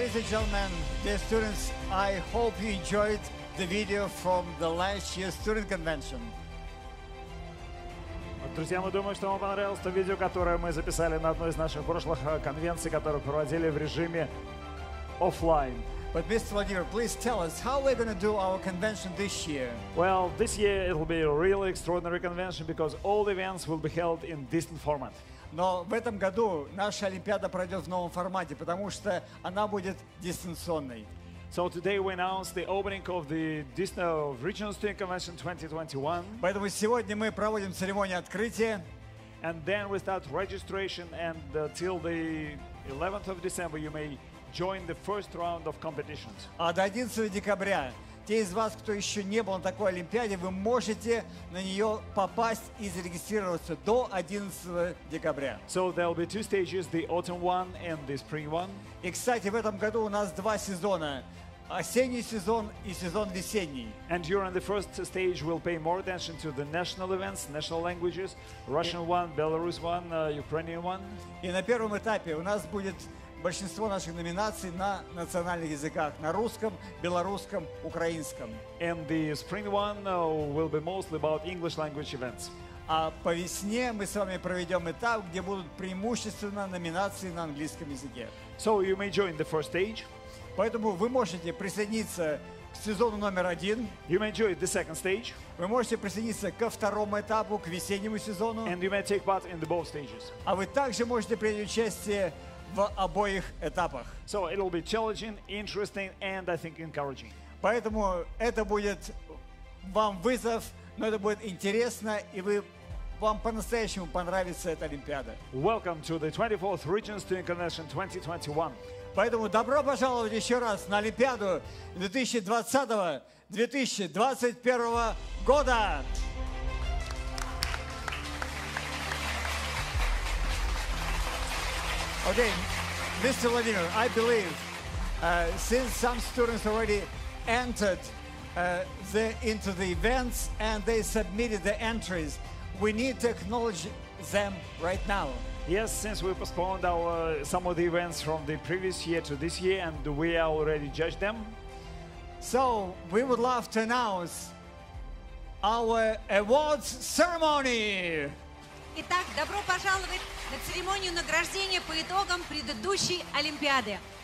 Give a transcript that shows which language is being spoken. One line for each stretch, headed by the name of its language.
English: Gentlemen, dear students, I hope you enjoyed the video from the last year's student convention.
Russian: Друзья, мы думаем, что вам понравилось то видео, которое мы записали на одной из наших прошлых конвенций, которую проводили в режиме офлайн.
English: But Mr. Vladimir, please tell us how we're going to do our convention this year. Well, this year it will be a really extraordinary convention because all events will be held in distant format.
Russian: Но в этом году наша Олимпиада пройдет в новом формате, потому что она будет дистанционной.
English: So today we announce the opening of the Distance of Regional Student Convention 2021.
Russian: Поэтому сегодня мы проводим церемонию открытия.
English: And then we start registration, and till the 11th of December you may join the first round of competitions.
Russian: А до 11 декабря те из вас, кто еще не был на такой Олимпиаде, вы можете на нее попасть и зарегистрироваться до 11 декабря.
English: So there will be two stages, the autumn one and the spring one.
Russian: И, кстати, в этом году у нас два сезона. Осенний сезон и сезон весенний.
English: And during the first stage, we'll pay more attention to the national events, national languages, Russian one, Belarus one, Ukrainian one.
Russian: И на первом этапе у нас будет большинство наших номинаций на национальных языках, на русском, белорусском, украинском.
English: And the spring one will be mostly about English language events.
Russian: А по весне мы с вами проведем этап, где будут преимущественно номинации на английском языке.
English: So you may join the first stage.
Russian: Поэтому вы можете присоединиться к сезону номер один.
English: You may join the second stage.
Russian: Вы можете присоединиться ко второму этапу, к весеннему сезону.
English: And you may take part in the both stages.
Russian: А вы также можете принять участие в обоих этапах.
English: So it'll be challenging, interesting, and I think encouraging.
Russian: Поэтому это будет вам вызов, но это будет интересно, и вам по-настоящему понравится эта Олимпиада.
English: Welcome to the 24th Regional Student Convention 2021.
Russian: Поэтому добро пожаловать еще раз на Олимпиаду 2020-2021 года!
English: Okay, Mr. Vladimir, I believe since some students already entered into the events and they submitted the entries, we need to acknowledge them right now. Yes, since we postponed some of the events from the previous year to this year and we already judged them. So we would love to announce our awards ceremony.
Russian: Итак, добро пожаловать на церемонию награждения по итогам предыдущей Олимпиады.